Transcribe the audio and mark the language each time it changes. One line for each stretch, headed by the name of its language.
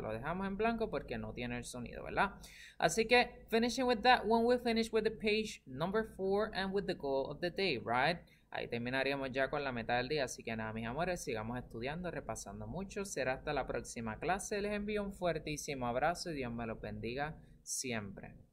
Spanish: Lo dejamos en blanco porque no tiene el sonido, ¿verdad? Así que,
English: finishing with that one, we'll finish with the page number 4 and with the goal of the day, right?
Spanish: Ahí terminaríamos ya con la meta del día. Así que nada, mis amores, sigamos estudiando, repasando mucho. Será hasta la próxima clase. Les envío un fuertísimo abrazo y Dios me los bendiga siempre.